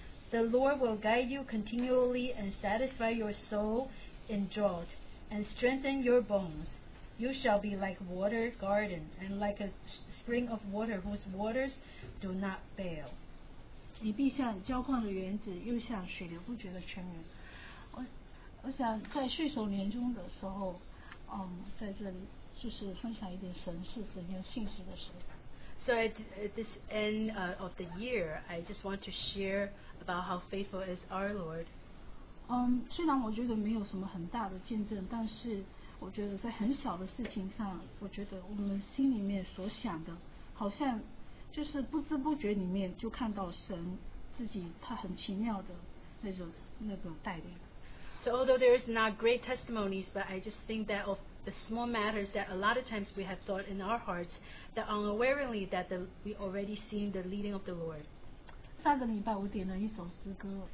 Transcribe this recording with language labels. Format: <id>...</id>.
<en>The Lord will guide you continually and satisfy your soul in drought and strengthen your bones. You shall be like water garden and like a spring of water whose waters do not fail.</en> <zh>你必像浇灌的园子，又像水流不绝的泉源。我想在岁首年终的时候，在这里就是分享一点神是怎样信实的神。</zh> <en>So at this end of the year, I just want to share about how faithful is our Lord.</en> <zh>虽然我觉得没有什么很大的见证，但是我觉得在很小的事情上，我觉得我们心里面所想的，好像。就是不知不觉里面就看到神自己他很奇妙的那个带领。</zh> <en>So although there is not great testimonies, but I just think that of the small matters that a lot of times we have thought in our hearts that unawarely that we already seen the leading of the Lord.</en> <zh>上个礼拜我点了一首诗歌。</zh>